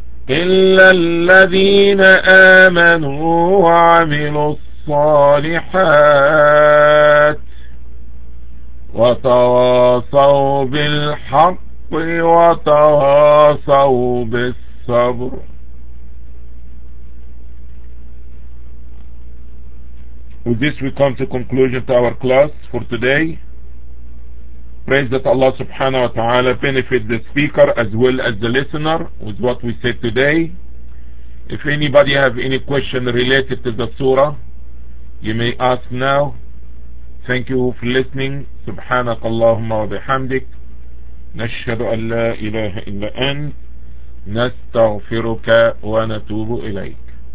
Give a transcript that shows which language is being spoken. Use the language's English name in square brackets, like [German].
[Arabic] إلا الذين آمنوا وعملوا الصالحات وتواصوا بالحق وتواصوا بالصبر. [English] With this we come to conclusion to our class for today. Praise that Allah subhanahu wa ta'ala benefit the speaker as well as the listener with what we said today. If anybody have any question related to the surah, You may ask now. Thank you for listening. [Arabic] سبحانك اللهم وبحمدك نشهد أن لا إله إلا أنت نستغفرك ونتوب إليك.